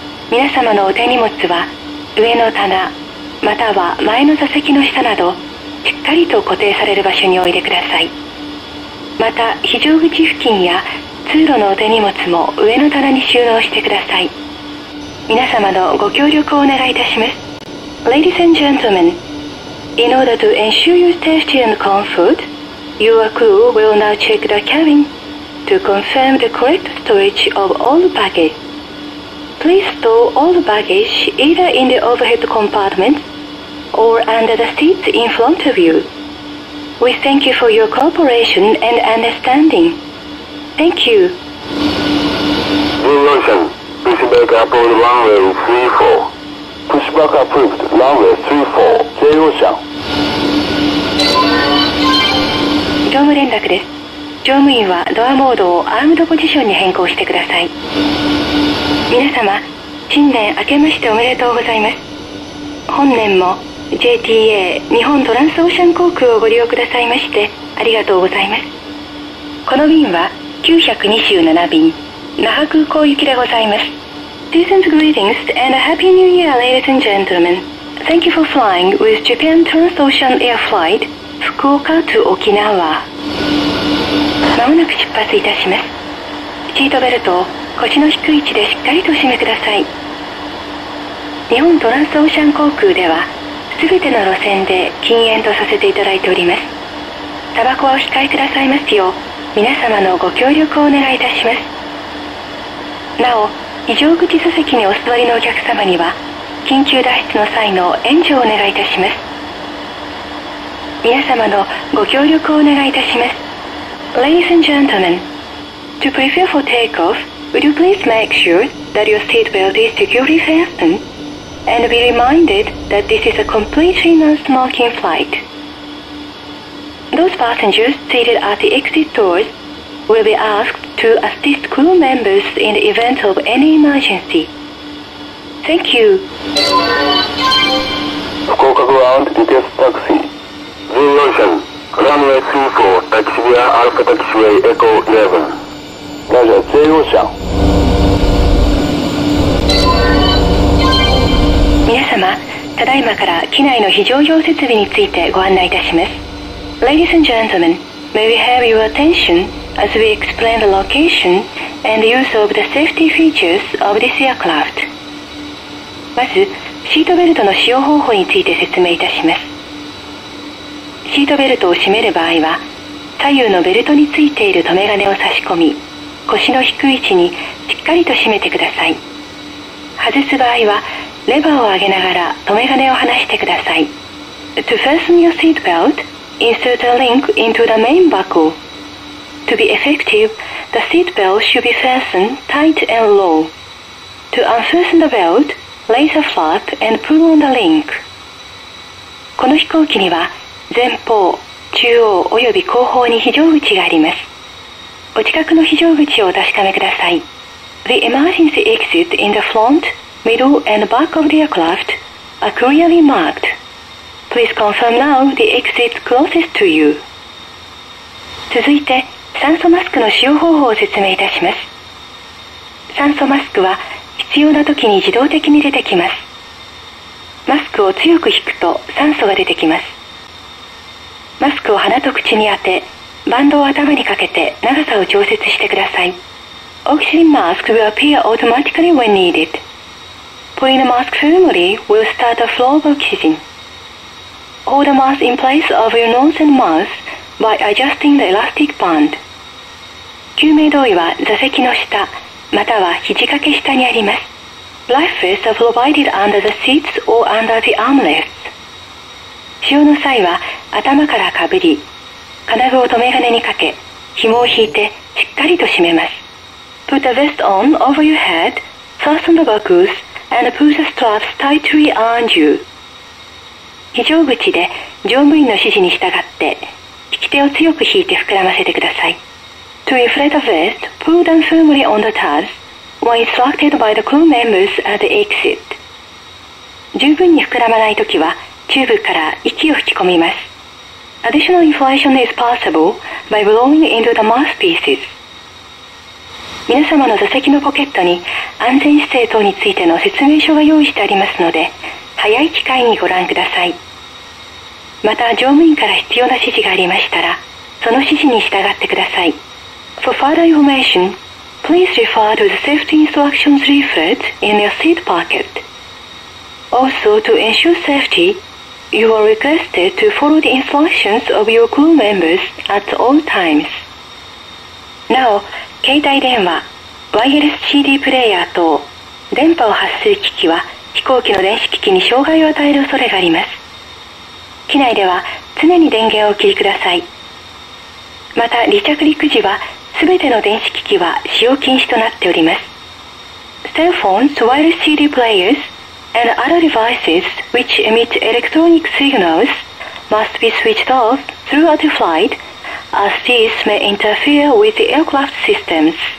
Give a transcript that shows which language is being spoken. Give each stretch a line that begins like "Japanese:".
Japanese: 皆様のお手荷物は上の棚または前の座席の下などしっかりと固定される場所に置いてください。また非常口付近や通路のお手荷物も上の棚に収納してください。皆様のご協力をお願いいたします。
English: Ladies and gentlemen, in order to ensure your safety and comfort, your crew will now check the cabinTo confirm the correct storage of all baggage, please store all baggage either in the overhead compartment or under the seats in front of you. We thank you for your cooperation and understanding. Thank you. Dear Russian, please back up on runway 34. Push back approved, runway 34. Dear Russian.
Japanese: 業務連絡です。乗務員はドアモードをアームドポジションに変更してください。皆様、新年明けましておめでとうございます。本年も JTA 日本トランスオーシャン航空をご利用くださいましてありがとうございます。この便は927便那覇空港行きでございます。
English: Season's greetings and a happy new year, ladies and gentlemen. Thank you for flying with Japan Transocean Air Flight 福岡 to 沖縄。
Japanese: まもなく出発いたします。シートベルトを腰の低い位置でしっかりと締めください。日本トランスオーシャン航空では、すべての路線で禁煙とさせていただいております。タバコはお控えくださいますよう、皆様のご協力をお願いいたします。なお、非常口座席にお座りのお客様には、緊急脱出の際の援助をお願いいたします。皆様のご協力をお願いいたします。
English: Ladies and gentlemen, to prepare for takeoff, would you please make sure that your seatbelt is securely fastened and be reminded that this is a completely non-smoking flight. Those passengers seated at the exit doors will be asked to assist crew members in the event of any emergency. Thank you. 福岡グラウンドディテールタクシー Zero Ocean. Runway 24, taxiway Alpha taxiway Echo 11. Roger, 全容赦。
Japanese: 皆様、ただいまから機内の非常用設備についてご案内いたします。
English: Ladies and gentlemen, may we have your attention as we explain the location and the use of the safety features of this aircraft.
Japanese: まず、シートベルトの使用方法について説明いたします。シートベルトを締める場合は、左右のベルトについている留め金を差し込み、腰の低い位置にしっかりと締めてください。外す場合は、レバーを上げながら留め金を離してください。
English: To fasten your seat belt, insert a link into the main buckle. To be effective, the seat belt should be fastened tight and low. To unfasten the belt, lace a flap and pull on the link.
Japanese: この飛行機には、前方、中央及び後方に非常口があります。お近くの非常口をお確かめください。
English: The emergency exit in the front, middle and back of the aircraft are clearly marked. Please confirm now the exit closest to you.
Japanese: 続いて、酸素マスクの使用方法を説明いたします。酸素マスクは必要な時に自動的に出てきます。マスクを強く引くと酸素が出てきます。マスクを鼻と口に当て、バンドを頭にかけて長さを調節してください。
English: Oxygen mask will appear automatically when needed. Pulling the mask firmly will start a flow of oxygen. Hold a mask in place of your nose and mouth by adjusting the elastic band.
Japanese: 救命胴衣は座席の下または肘掛け下にあります。
English: Life vests are provided under the seats or under the armrests.
Japanese: 使用の際は頭からかぶり、金具を留め金にかけ、紐を引いてしっかりと締めます。
English: Put a vest on over your head, fasten the buckles, and put the straps tightly around you.
Japanese: 非常口で乗務員の指示に従って、引き手を強く引いて膨らませてください。
English: To inflate a vest, pull down firmly on the tabs when instructed by the crew members at the exit.
Japanese: 十分に膨らまないときは、チューブから息を吹き込みます。
English: Additional inflation is possible by blowing into the mouthpieces.
Japanese: 皆様の座席のポケットに安全姿勢等についての説明書が用意してありますので、早い機会にご覧ください。また、乗務員から必要な指示がありましたら、その指示に従ってください。
English: For further information, please refer to the safety instructions leaflet in your seat pocket. Also, to ensure safety, you are requested to follow the instructions of your crew members at all times.
Japanese: Now, 携帯電話、ワイヤレス CD プレイヤー等、電波を発する機器は、飛行機の電子機器に障害を与える恐れがあります。機内では常に電源をお切りください。また離着陸時は全ての電子機器は使用禁止となっております。
English: Cell phones, wireless CD players, and other devices which emit electronic signals must be switched off throughout the flight, as these may interfere with the aircraft systems.